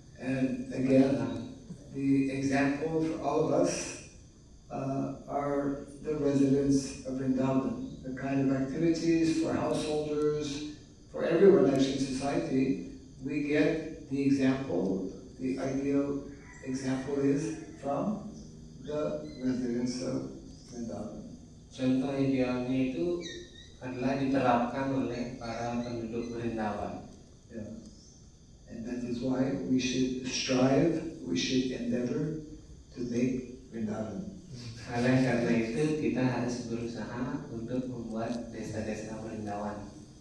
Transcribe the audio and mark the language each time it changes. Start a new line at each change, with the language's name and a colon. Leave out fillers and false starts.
English: And again, the example for all of us are the residents of Vrindavan. The kind of activities for householders, for everyone actually in society, we get the example, the ideal example is from the residents of Vrindavan.
Indonesian: Contoh idealnya itu adalah diterapkan oleh para penduduk Vrindavan. Yeah.
English: And that is why we should strive, we should endeavor to make Vrindavan.
Indonesian: Oleh karena itu kita harus berusaha untuk membuat desa-desa Vrindavan.